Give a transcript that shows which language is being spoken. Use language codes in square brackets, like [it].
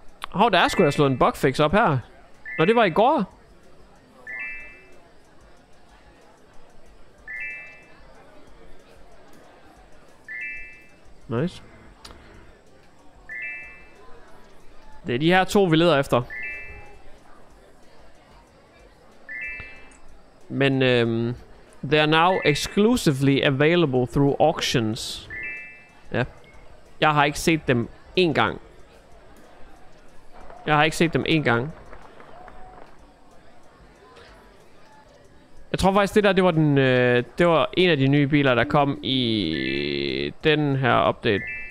[da] Hov, der er sgu da slået en bugfix op her. Nå, det var i går. [en] Nice. [da] Det er de her to, vi leder efter. Men [en] they are now exclusively available through auctions. [da] Ja. Jeg har ikke set dem én gang. Jeg har ikke set dem én gang. Jeg tror faktisk det der, det var den det var en af de nye biler der kom i den her update.